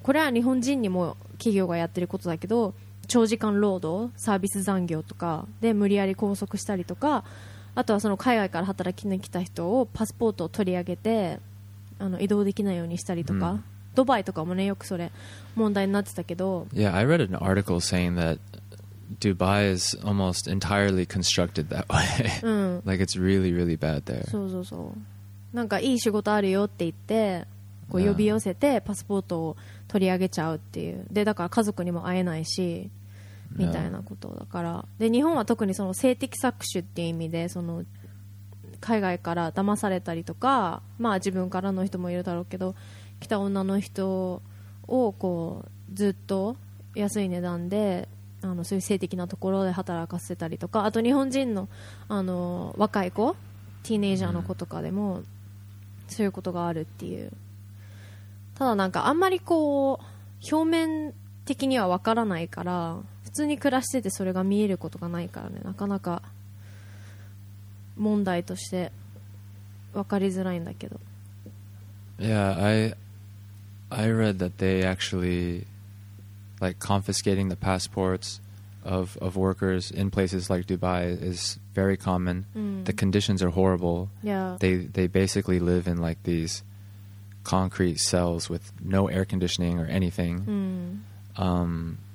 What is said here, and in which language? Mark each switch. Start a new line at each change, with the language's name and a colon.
Japanese: これは日本人にも企業がやってることだけど、長時間労働、サービス残業とかで無理やり拘束したりとか、あとはその海外から働きに来た人をパスポートを取り上げて移動できないようにしたりとか、mm. ドバイとかもね、よくそれ問題になってたけど。
English: Yeah, I read an article saying that Dubai is almost entirely constructed that way. 、うん、 like it's really really bad there.
Japanese: そうそうそう、なんかいい仕事あるよって言ってこう呼び寄せてパスポートを取り上げちゃうっていう。で、だから家族にも会えないしみたいなことだから、yeah. で、日本は特にその性的搾取っていう意味で、その海外から騙されたりとか、まあ自分からの人もいるだろうけど、来た女の人をこうずっと安い値段でそういう性的なところで働かせたりとか、あと日本人の若い子、ティーネイジャーの子とかでもそういうことがあるっていう。ただなんかあんまりこう表面的にはわからないから、普通に暮らしててそれが見えることがないからね、なかなか問題として分かりづらいんだけど。
English: Yeah, I read that they actually like confiscating the passports, of workers in places like Dubai is very common. Mm. The conditions are horrible. Yeah. They basically live in like these concrete cells with no air conditioning or anything. Mm.